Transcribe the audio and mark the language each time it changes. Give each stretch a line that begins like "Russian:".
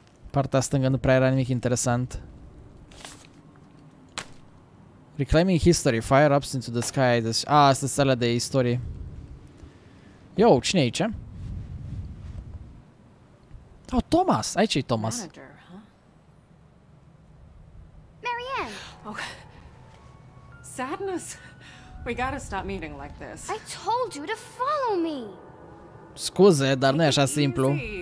Romanian: Partea stângă nu prea era nimic interesant.
English: Reclaiming history, fire ups into the sky.
Romanian: Asta e sala de istorie. Yo, cine e aici? Oh, Thomas! Aici e Thomas. Manager, huh? Marianne!
English: Oh. Sadness. We gotta stop meeting like this. I told you to follow me!
Romanian: Scuze, dar nu e așa simplu.